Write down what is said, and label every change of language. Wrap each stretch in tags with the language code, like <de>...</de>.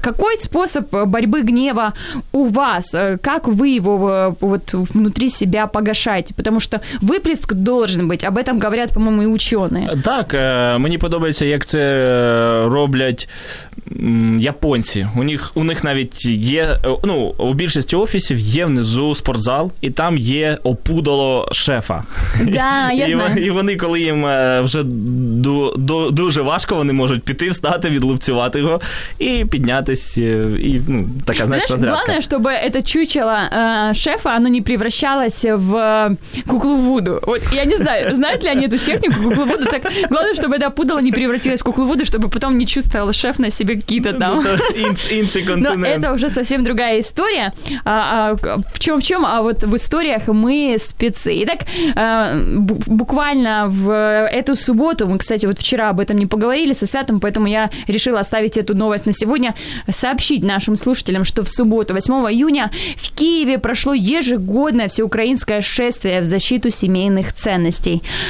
<ru>Какой способ борьбы гнева у вас? Как вы его вот внутри себя погашаете? Потому что выплеск должен быть, об этом говорят, по-моему, и ученые.</ru> <uk>Так, мне подобается, как це роблять японцы. У них навіть є, ну, у більшості офісів є внизу спортзал, і там є опудало шефа.</uk> <ru>Да, я знаю.</ru> <uk>І вони, коли їм вже дуже важко, вони можуть піти, встати, відлупцювати його і піднятися. І, ну, така, знаєш, розрядка. Головне, щоб це чучело шефа, воно не превращалося в куклу Вуду. От, я не знаю, знають ли вони цю техніку куклу Вуду? Так, головне, щоб це опудало не превратилося в куклу Вуду, щоб потім</uk> <ru>не чувствовал шеф на себе какие-то там. Но это уже совсем другая история. В чем, а вот в историях мы спецы. Итак, буквально в эту субботу, мы, кстати, вот вчера об этом не поговорили со Святым, поэтому я решила оставить эту новость на сегодня, сообщить нашим слушателям, что в субботу, 8 июня, в Киеве прошло ежегодное всеукраинское шествие в защиту семейных ценностей.</ru>